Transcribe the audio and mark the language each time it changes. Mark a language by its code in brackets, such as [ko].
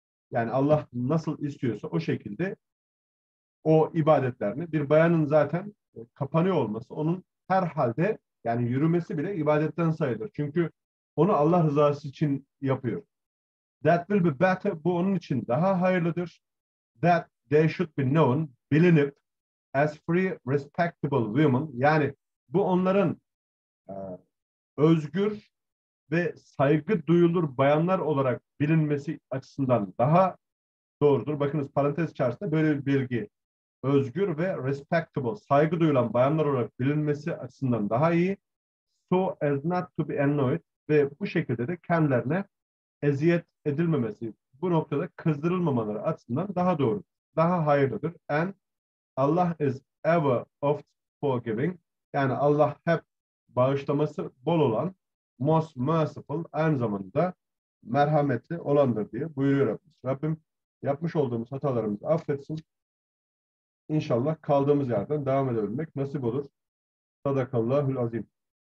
[tr] Yani Allah nasıl istiyorsa o şekilde o ibadetlerini bir bayanın zaten kapanıyor olması onun herhalde yani yürümesi bile ibadetten sayılır. Çünkü onu Allah rızası için yapıyor. [en] That will be better. [tr] Bu onun için daha hayırlıdır. [en] That they should be known, bilinip as free, respectable women. [tr] Yani bu onların özgür ve saygı duyulur bayanlar olarak bilinmesi açısından daha doğrudur. Bakınız parantez içerisinde böyle bir bilgi. Özgür ve respectable, saygı duyulan bayanlar olarak bilinmesi açısından daha iyi. [en] So as not to be annoyed. [tr] Ve bu şekilde de kendilerine eziyet edilmemesi, bu noktada kızdırılmamaları açısından daha doğru, daha hayırlıdır. [en] And Allah is ever oft forgiving. [tr] Yani Allah hep bağışlaması bol olan, [en] most merciful, [tr] aynı zamanda merhametli olandır diye buyuruyor Rabbimiz. Rabbim yapmış olduğumuz hatalarımızı affetsin. İnşallah kaldığımız yerden devam edebilmek nasip olur. Sadakallahül azim.